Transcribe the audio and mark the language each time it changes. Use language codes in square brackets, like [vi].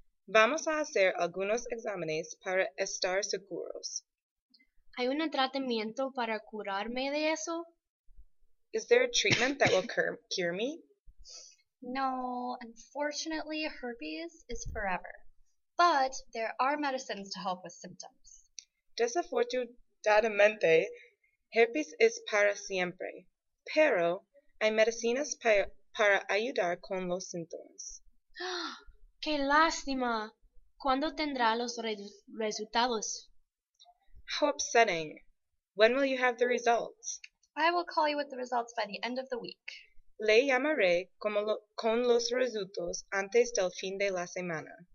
[es] Vamos a hacer algunos exámenes para estar seguros. ¿Hay un tratamiento para curarme de eso? [en] Is there a treatment that will cure me? No, unfortunately, herpes is forever. But there are medicines to help with symptoms. [es] Desafortunadamente, herpes es para siempre. Pero hay medicinas para ayudar con los síntomas. ¡Qué lástima! ¿Cuándo tendrá los resultados? [en] How upsetting. When will you have the results? I will call you with the results by the end of the week. [es] Le llamaré con los resultados antes del fin de la semana.